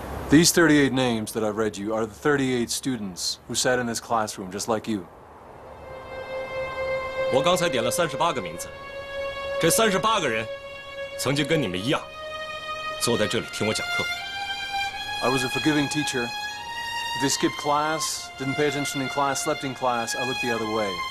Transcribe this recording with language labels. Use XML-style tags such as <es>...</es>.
<en>These 38 names that I've read you are the 38 students who sat in this classroom just like you.</en> <zh>我刚才点了38个名字，这38个人曾经跟你们一样坐在这里听我讲课。</zh> <en>I was a forgiving teacher. If they skipped class, didn't pay attention in class, slept in class, I looked the other way.</en>